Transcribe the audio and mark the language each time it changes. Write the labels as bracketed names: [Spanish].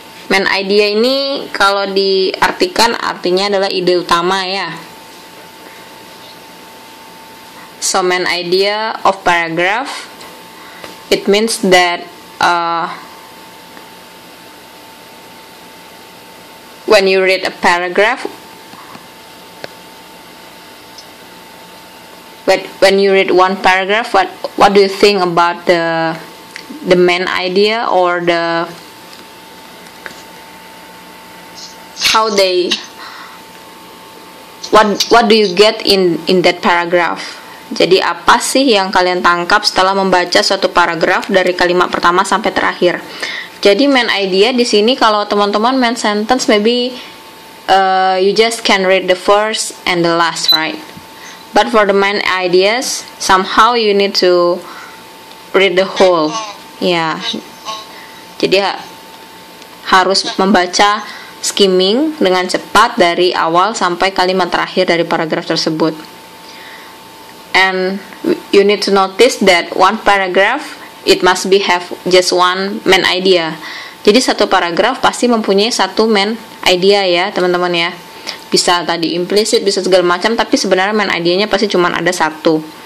[Indonesian] Main idea ini kalau diartikan artinya adalah ide utama ya. [English] So main idea of paragraph, it means that when you read a paragraph, when you read one paragraph, what do you think about the main idea or the how they what do you get in that paragraph? [Indonesian] Jadi apa sih yang kalian tangkap setelah membaca suatu paragraf dari kalimat pertama sampai terakhir? Jadi main idea di sini kalau teman-teman [English] main sentence, maybe you just can read the first and the last, right? But for the main ideas, somehow you need to read the whole. Yeah. [Indonesian] Jadi harus membaca skimming dengan cepat dari awal sampai kalimat terakhir dari paragraf tersebut. [English] And you need to notice that one paragraph, it must be have just one main idea. [Indonesian] Jadi satu paragraf pasti mempunyai satu main idea ya, teman-teman ya. Bisa tadi implicit, bisa segala macam, tapi sebenarnya main idenya pasti cuma ada satu.